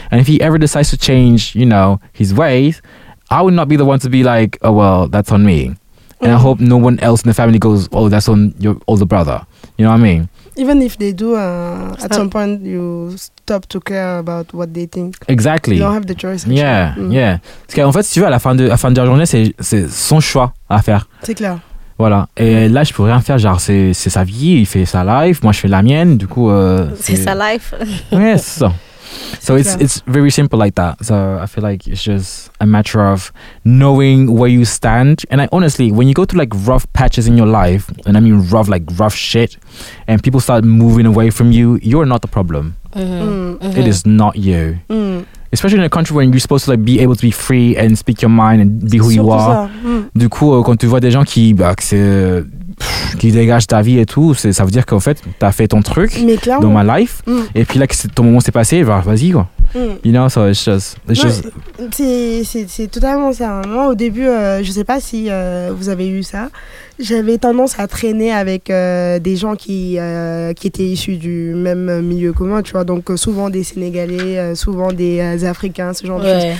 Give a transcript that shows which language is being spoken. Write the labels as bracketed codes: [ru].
[en] And if he ever decides to change, you know, his ways, I would not be the one to be like, oh, well, that's on me. And I hope no one else in the family goes, oh, that's on your older brother. You know what I mean? Even if they do, at some point you stop to care about what they think. Exactly. You don't have the choice, actually. Yeah, yeah. [fr] Parce qu'en fait, si tu veux, à la fin de la journée, c'est son choix à faire. C'est clair. Voilà. Et là, je peux rien faire. Genre, c'est sa vie, il fait sa life. Moi, je fais la mienne. Du coup, c'est sa life. [en] Yes. Yeah, [fr] c'est ça. [en] So it's very simple like that. So I feel like it's just a matter of knowing where you stand. And I honestly, when you go through like rough patches in your life, and I mean rough, like rough shit, and people start moving away from you, you're not the problem. Mm-hmm. Mm-hmm. It is not you. Mm. Especially in a country where you're supposed to like be able to be free and speak your mind and be who you are. [fr] Du coup, quand tu vois des gens qui dégage ta vie et tout, c'est, ça veut dire qu'en fait t'as fait ton truc dans ma life et puis là que ton moment s'est passé, bah, vas-y quoi. [en] You know, so it's just, [fr] c'est totalement ça. Moi au début, je sais pas si vous avez eu ça, j'avais tendance à traîner avec des gens qui étaient issus du même milieu commun, tu vois, donc souvent des Sénégalais, souvent des Africains, ce genre de choses.